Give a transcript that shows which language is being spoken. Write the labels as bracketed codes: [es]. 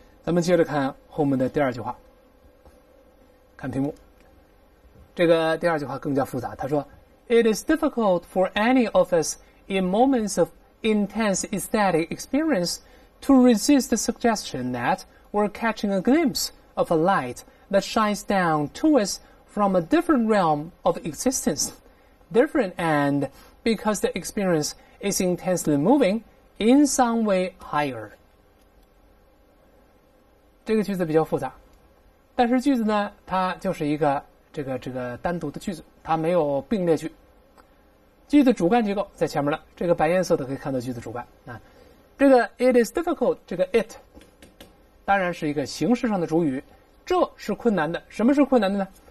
[zh] 咱们接着看后面的第二句话，看屏幕。这个第二句话更加复杂，他说 [en] It is difficult for any of us in moments of intense ecstatic experience to resist the suggestion that we're catching a glimpse of a light that shines down to us from a different realm of existence. Different and because the experience is intensely moving in some way higher. [zh] 这个句子比较复杂，但是句子呢，它就是一个这个单独的句子，它没有并列句。句子主干结构在前面了，这个白颜色的可以看到句子主干啊。这个 [en] it is difficult， [zh] 这个 it 当然是一个形式上的主语，这是困难的。什么是困难的呢？